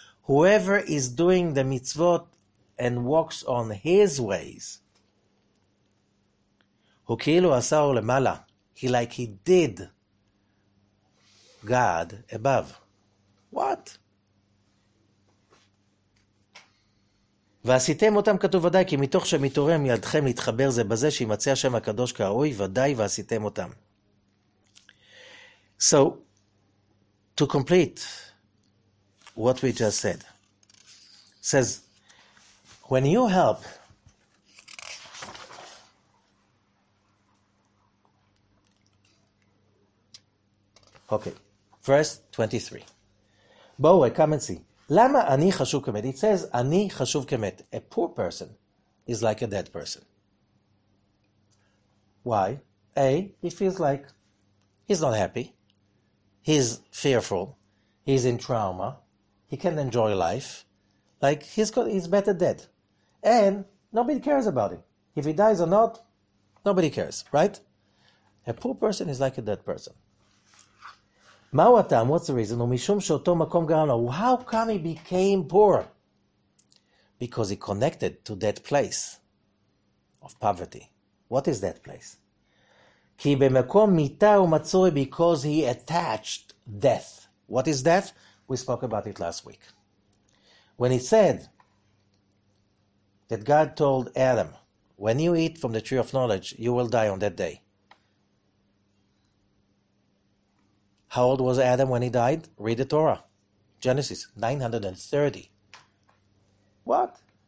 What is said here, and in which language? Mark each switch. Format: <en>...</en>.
<en>Whoever is doing the mitzvot and walks on his ways,</en> <he>Hukilu asar lemala,</he> <en>he like he did God above. What?</en> <he>ועשיתם אותם כתוב ודאי, כי מתוך שמתורם ידכם להתחבר זה בזה שימצא השם הקדוש כראוי, ודאי ועשיתם אותם.</he> <en>So, to complete what we just said, says, when you help okay, verse 23. Boy, come and see.</en> <he>Lama ani chashuv kemet.</he> <en>It says,</en> <he>ani chashuv kemet.</he> <en>A poor person is like a dead person. Why? A, he feels like he's not happy. He's fearful. He's in trauma. He can't enjoy life. Like, he's better dead. And nobody cares about him. If he dies or not, nobody cares, right? A poor person is like a dead person.</en> <he>מהו הטעם?</he> <en>What's the reason?</en> <he>ומשום שאותו מקום גרם לו.</he> <en>How come he became poor? Because he connected to that place of poverty. What is that place?</en> <he>כי במקום מיתה הוא מצוי,</he> <en>because he attached death. What is death? We spoke about it last week. When he said that God told Adam, when you eat from the tree of knowledge, you will die on that day. How old was Adam when he died? Read the Torah. Genesis 930. What?</en>